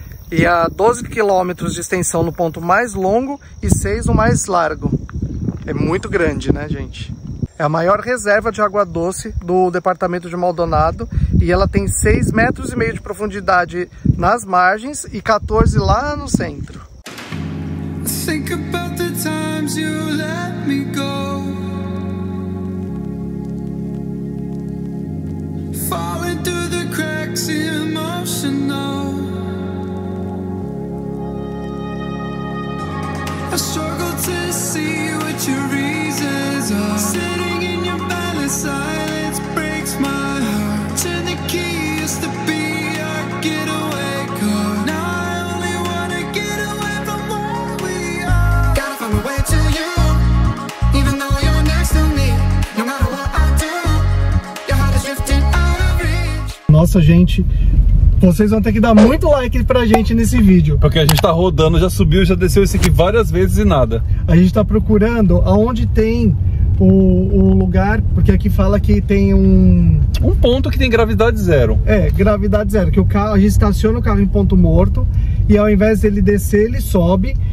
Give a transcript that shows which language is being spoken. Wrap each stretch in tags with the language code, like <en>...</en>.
<pt>E há 12 quilômetros de extensão no ponto mais longo e 6 no mais largo. É muito grande, né, gente? É a maior reserva de água doce do departamento de Maldonado e ela tem 6 metros e meio de profundidade nas margens e 14 lá no centro.</pt> <en>Think about the times you let me go. Falling through the cracks emotional. I struggle to see what your reasons are. Sitting in your palace, silence breaks my heart. Turn the key, used to be our getaway car. Now I only wanna get away from where we are. Gotta find a way to you, even though you're next to me. No matter what I do, your heart is drifting out of reach.</en> <pt>Nossa, gente. Vocês vão ter que dar muito like pra gente nesse vídeo. Porque a gente tá rodando, já subiu, já desceu isso aqui várias vezes e nada. A gente tá procurando aonde tem o lugar, porque aqui fala que tem um ponto que tem gravidade zero. É, gravidade zero, que o carro, a gente estaciona o carro em ponto morto e ao invés dele descer, ele sobe.</pt>